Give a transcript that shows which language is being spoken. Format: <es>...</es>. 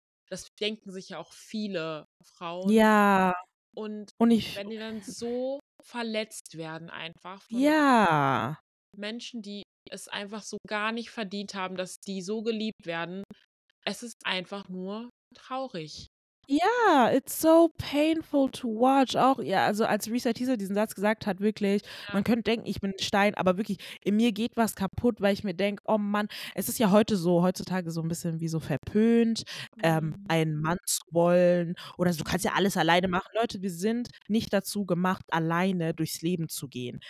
<de>Das denken sich ja auch viele Frauen. Ja. Und ich, wenn die dann so verletzt werden einfach von Menschen, die es einfach so gar nicht verdient haben, dass die so geliebt werden. Es ist einfach nur traurig.</de> <en>Ja, it's so painful to watch.</en> <de>Auch, ja, also als Risa Teaser diesen Satz gesagt hat, wirklich, man könnte denken, ich bin ein Stein, aber wirklich, in mir geht was kaputt, weil ich mir denke, oh Mann, es ist ja heute so, heutzutage so ein bisschen wie so verpönt, einen Mann zu wollen. Oder so, du kannst ja alles alleine machen. Leute, wir sind nicht dazu gemacht, alleine durchs Leben zu gehen.</de>